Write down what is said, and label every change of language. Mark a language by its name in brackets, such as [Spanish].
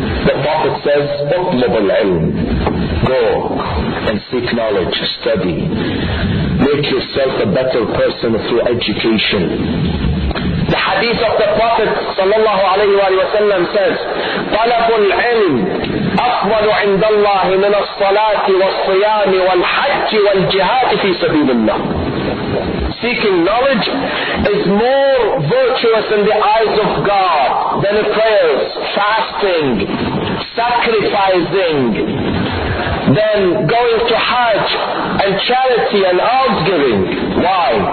[English] The Prophet says, [Arabic] اطلب العلم. [English] Go and seek knowledge, study. Make yourself a better person through education. The hadith of the Prophet sallallahu alayhi wa sallam says, [Arabic] طلب العلم أفضل عند الله من الصلاة والصيام والحج والجهاد في سبيل الله. [English] Seeking knowledge is more virtuous in the eyes of God than prayers, fasting, sacrificing, than going to Hajj and charity and almsgiving. Why?